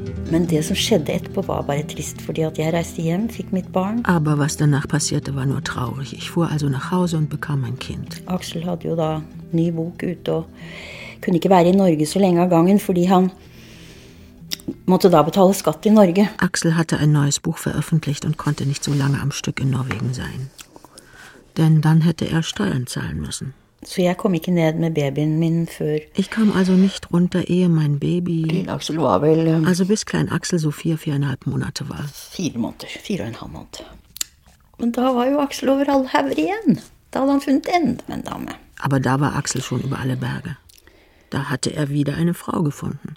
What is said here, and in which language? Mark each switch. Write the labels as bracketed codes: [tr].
[no] Men det som skjedde etterpå var bare trist, fordi at jeg reiste hjem, fikk mitt barn. [de] Aber was danach passierte war nur traurig. Ich fuhr also nach Hause und bekam mein Kind. [no] Axel hadde jo da ny bok ute og kunne ikke være i Norge så lenge av gangen, fordi han måtte da betale skatt i Norge. [de] Axel hadde ein neues Buch veröffentlicht und konnte nicht so lange am Stück in Norwegen sein. Denn dann hätte Steuern zahlen müssen. [no] Så jeg kom ikke ned med babyen min før. [de] Ich kam also nicht runter, ehe mein Baby. Klein Axel war vel. Also bis klein Axel so 4,5 Monate war. 4,5 Monate. [no] Men da var jo Axel over all hever igjen. Da hadde han funnet enda med en dame. [de] Aber da war Axel schon über alle Berge. Da hatte wieder eine Frau gefunden.